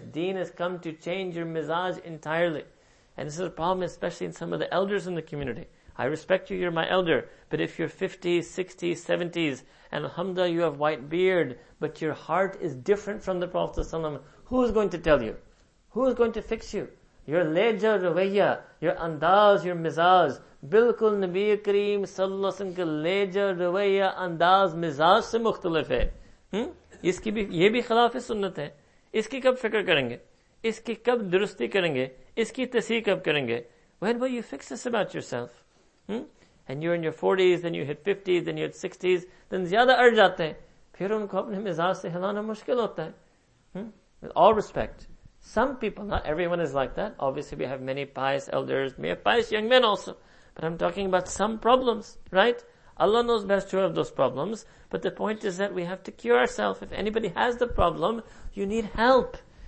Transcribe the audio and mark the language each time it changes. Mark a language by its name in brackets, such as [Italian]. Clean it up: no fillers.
[English] Deen has come to change your mizaj entirely. And this is a problem, especially in some of the elders in the community. I respect you, you're my elder. But if you're 50s, 60s, 70s, and alhamdulillah you have white beard, but your heart is different from the Prophet ﷺ, who is going to tell you? Who is going to fix you? Your لیجہ رویہ, your انداز, your مزاج. [Urdu] بالکل نبی کریم صلی اللہ علیہ وسلم کا لیجہ رویہ انداز مزاج سے مختلف ہے۔ اِس کی بھی، یہ بھی خلافِ سنت ہے۔ اِس کی کب فکر کریں گے؟ اِس کی کب درستی کریں گے؟ اِس کی تصحیح کب کریں گے؟ [English] When will you fix this about yourself? And you're in your 40s, then you hit 50s, then you hit 60s, then [Urdu] zyada ar jate hain. پھر اُن کو اپنے مزاج سے ہلانا مشکل ہوتا ہے۔ [English] With all respect, some people, not everyone is like that. Obviously, we have many pious elders, we have pious young men also. But I'm talking about some problems, right? Allah knows best who have those problems. But the point is that we have to cure ourselves. If anybody has the problem, you need help.